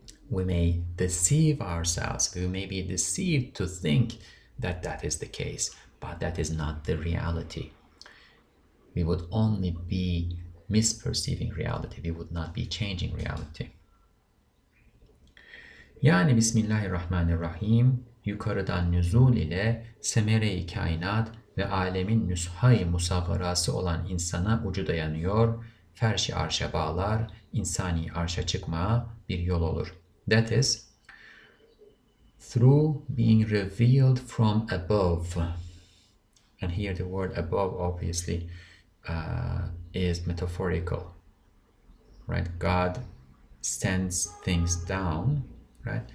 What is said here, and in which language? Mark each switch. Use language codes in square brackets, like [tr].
[en] We may deceive ourselves, we may be deceived to think that that is the case, but that is not the reality. We would only be misperceiving reality, we would not be changing reality. [tr] Yani Bismillahirrahmanirrahim, yukarıdan nüzul ile semere-i kainat ve alemin nüshay-i musagarası olan insana ucu dayanıyor, ferş-i arşa bağlar, insani arşa çıkmaya bir yol olur. [en] That is, through being revealed from above. And here the word above obviously is metaphorical, right? God sends things down, right?